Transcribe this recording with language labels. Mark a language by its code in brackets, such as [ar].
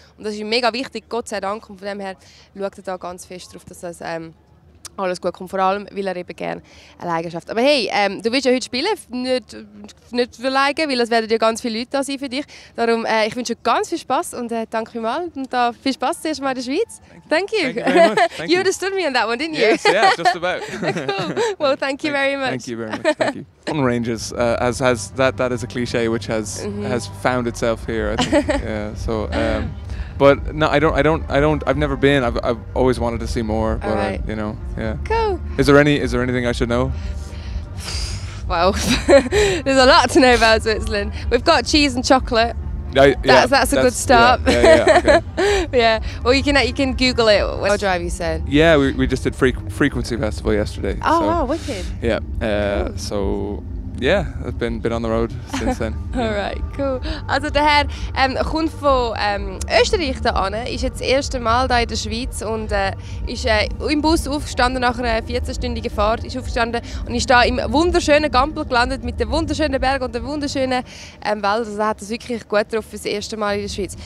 [de] Und das ist mega wichtig, Gott sei Dank. Und von dem her schaut er da ganz fest drauf, dass das alles gut kommt. Vor allem, weil er eben gerne eine Eigenschaft hat. Aber hey, du willst ja heute spielen, nicht verlegen, weil es werden ja ganz viele Leute da sein für dich. Darum, ich wünsche dir ganz viel Spass und danke vielmals. Und da viel Spass zuerst mal in der Schweiz. [en] Thank you. You understood me on that one, didn't you? Yes, just about. Cool. Well, thank you very much. On Rangers, as that is a cliche which has has found itself here, I think. But no, I don't. I've never been. I've always wanted to see more. But all right. You know, yeah. Cool. Is there anything I should know? Well, there's a lot to know about Switzerland. We've got cheese and chocolate. That's a good start. Yeah. Okay. Yeah. Well, you can Google it. What drive you said? Yeah, we just did frequency festival yesterday. Oh, so. Wow, wicked. Yeah. So. Yeah, I've been on the road since then. Alright, cool. [de] Also der Herr kommt von Österreich da an, ist jetzt das erste Mal hier in der Schweiz und ist im Bus aufgestanden nach einer 14-stündigen Fahrt, ist aufgestanden und ist da im wunderschönen Gampel gelandet mit den wunderschönen Bergen und den wunderschönen Wäldern. Also hat das wirklich gut drauf für das erste Mal in der Schweiz.